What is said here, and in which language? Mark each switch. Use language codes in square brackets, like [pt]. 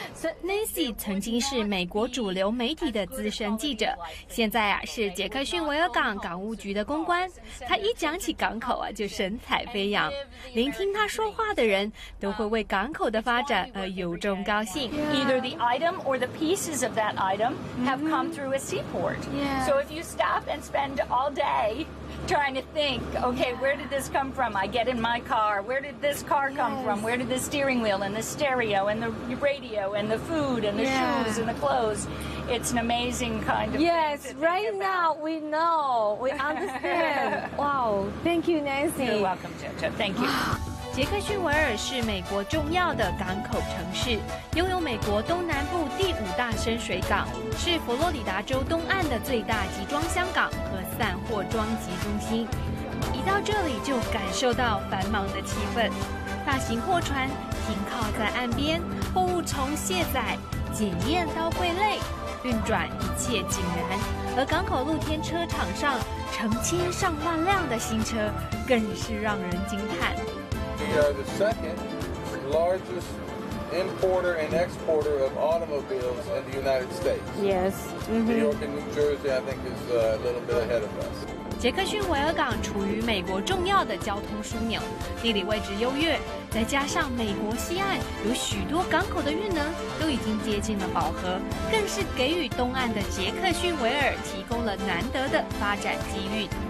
[zh] So Nancy 曾经是美国主流媒体的资深记者，现在啊是杰克逊维尔港港务局的公关。他一讲起港口啊，就神采飞扬，聆听他说话的人都会为港口的发展而由衷高兴。 [en] Either the item or the pieces of that item have come through a seaport. Yes. So if you stop and spend all day trying to think, okay, where did this come from? I get in my car. Where did this car come from? Where did the steering wheel and the stereo and the radio and the food and the shoes and the clothes? It's an amazing kind of thing. Right now we know. We understand. Wow. Thank you, Nancy. You're welcome, Jojo. Thank you. [zh] 杰克逊维尔是美国重要的港口城市，拥有美国东南部第5大深水港，是佛罗里达州东岸的最大集装箱港和散货装集中心。一到这里就感受到繁忙的气氛。大型货船停靠在岸边，货物从卸载、检验到柜类，运转一切井然。而港口露天车场上成千上万辆的新车，更是让人惊叹。 [en] We are the second largest importer and exporter of automobiles in the United States. Yes. New York and New Jersey, I think, is a little bit ahead of us. [zh] 杰克逊维尔港处于美国重要的交通枢纽，地理位置优越，再加上美国西岸有许多港口的运能都已经接近了饱和，更是给予东岸的杰克逊维尔提供了难得的发展机遇。